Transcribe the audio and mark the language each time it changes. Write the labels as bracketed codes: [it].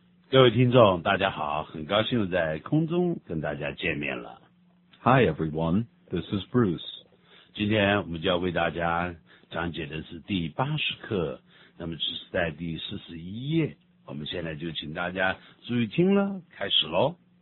[zh] 各位听众大家好，很高兴在空中跟大家见面了。 [en] Hi everyone, this is Bruce. [zh] 今天我们就要为大家讲解的是第八十课，那么这是在第四十一页，我们现在就请大家注意听了，开始咯。